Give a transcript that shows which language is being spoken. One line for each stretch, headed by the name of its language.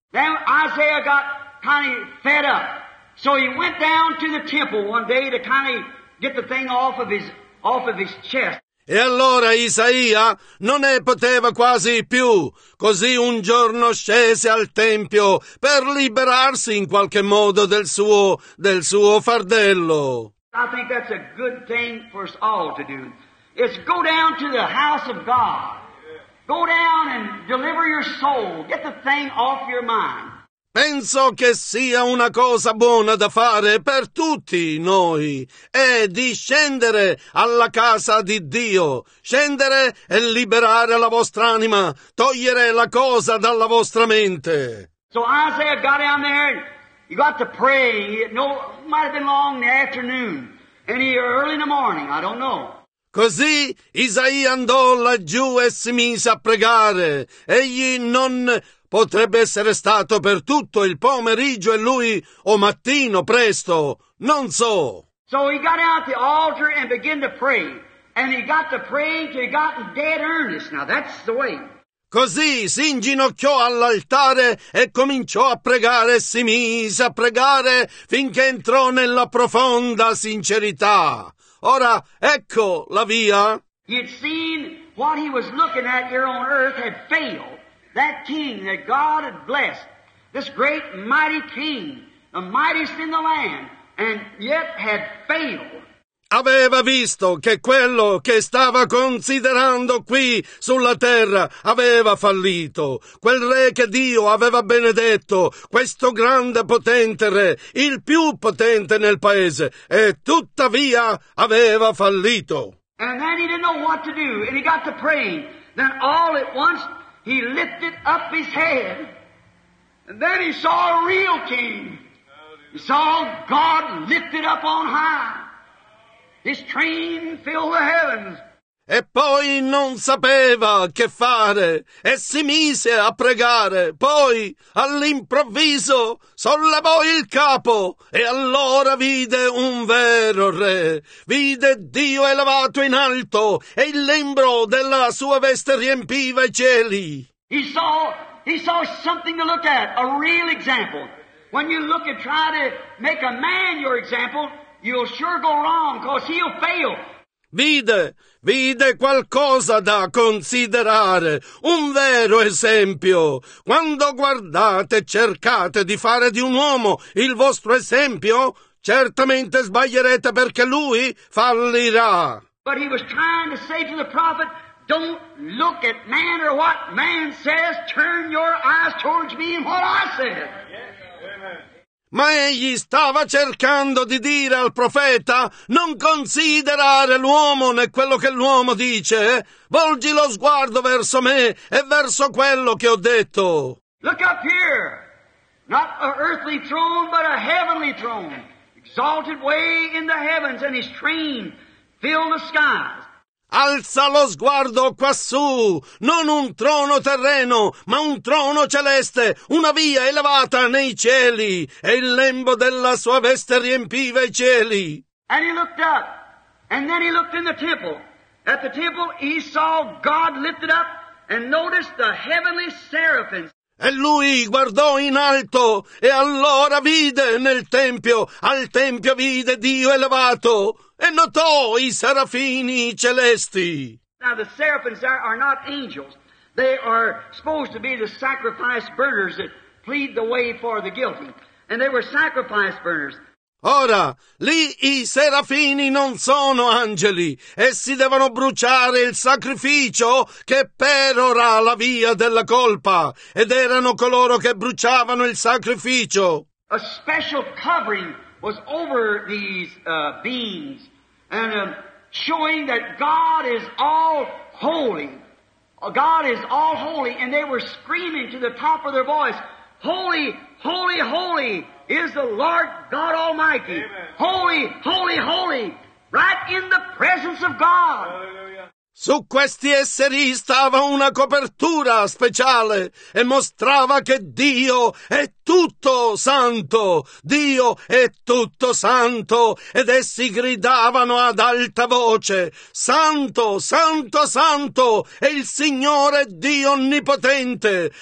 English: Now Isaiah got kind of fed up, so he went down to the temple one day to kind of get the thing off of his chest.
Italian: E allora Isaia non ne poteva quasi più. Così un giorno scese al tempio per liberarsi in qualche modo del suo fardello.
English: I think that's a good thing for us all to do. It's go down to the house of God. Go down and deliver your soul. Get the thing off your mind.
Italian: Penso che sia una cosa buona da fare per tutti noi, è di scendere alla casa di Dio, scendere e liberare la vostra anima, togliere la cosa dalla vostra mente.
English: So Isaiah got down there, and he got to pray. Might have been long in the afternoon, and he early in the morning, I don't know.
Italian: Così Isaia andò laggiù e si mise a pregare. Egli non potrebbe essere stato per tutto il pomeriggio e lui o mattino presto, non so.
English: So he got out the altar and began to pray. And he got to pray till he got in dead earnest. Now that's the way.
Italian: Così si inginocchiò all'altare e cominciò a pregare e si mise a pregare finché entrò nella profonda sincerità. Ora, ecco la via.
English: He had seen what he was looking at here on earth had failed. That king that God had blessed, this great mighty king, the mightiest in the land, and yet had failed.
Italian: Aveva visto che quello che stava considerando qui sulla terra aveva fallito. Quel re che Dio aveva benedetto, questo grande potente re, il più potente nel paese, e tuttavia aveva fallito.
English: And then he didn't know what to do, and he got to praying. Then all at once he lifted up his head, and then he saw a real king. He saw God lifted up on high. His train filled the heavens.
Italian: E poi non sapeva che fare e si mise a pregare. Poi, all'improvviso, sollevò il capo e allora vide un vero re. Vide Dio elevato in alto e il lembro della sua veste riempiva i cieli.
English: He saw something to look at, a real example. When you look and try to make a man your example, you'll sure go wrong, cause he'll fail.
Italian: Vide qualcosa da considerare, un vero esempio. Quando guardate, cercate di fare di un uomo il vostro esempio, certamente sbaglierete perché lui fallirà.
English: But he was trying to say to the prophet, don't look at man or what man says, turn your eyes towards me and what I said.
Italian: Ma egli stava cercando di dire al profeta, non considerare l'uomo né quello che l'uomo dice, volgi lo sguardo verso me e verso quello che ho detto.
English: Look up here, not an earthly throne, but a heavenly throne, exalted way in the heavens, and his train filled the skies.
Italian: Alza lo sguardo quassù, non un trono terreno, ma un trono celeste, una via elevata nei cieli, e il lembo della sua veste riempiva i cieli.
English: And he looked up, and then he looked in the temple. At the temple he saw God lifted up, and noticed the heavenly seraphims.
Italian: E lui guardò in alto, e allora vide nel tempio, al tempio vide Dio elevato, e notò i serafini celesti.
English: Now the seraphims are not angels. They are supposed to be the sacrifice burners that plead the way for the guilty. And they were sacrifice burners.
Italian: Ora, lì i serafini non sono angeli. Essi devono bruciare il sacrificio che perora la via della colpa. Ed erano coloro che bruciavano il sacrificio.
English: A special covering was over these beings, and showing that God is all holy. God is all holy, and they were screaming to the top of their voice, holy, holy, holy is the Lord God Almighty. Amen. Holy, holy, holy, right in the presence of God.
Italian: Su questi esseri stava una copertura speciale e mostrava che Dio è tutto santo. Dio è tutto santo. Ed essi gridavano ad alta voce, santo, santo, santo è il Signore Dio Onnipotente.